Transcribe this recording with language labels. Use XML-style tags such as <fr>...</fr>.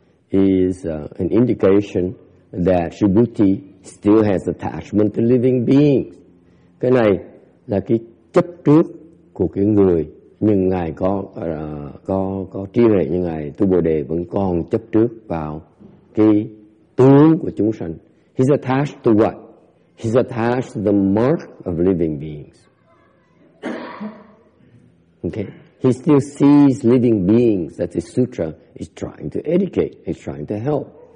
<en>So this is an indication that Subhuti still has attachment to living beings.</en> <vi>Cái này là cái chấp trước của cái người, nhưng ngài có trí huệ như ngài Tu Bồ Đề vẫn còn chấp trước vào cái tướng của chúng sanh.</vi> <en>He's attached to what? He's attached to the mark of living beings. Okay. He still sees living beings that the sutra is trying to educate, is trying to help.</en>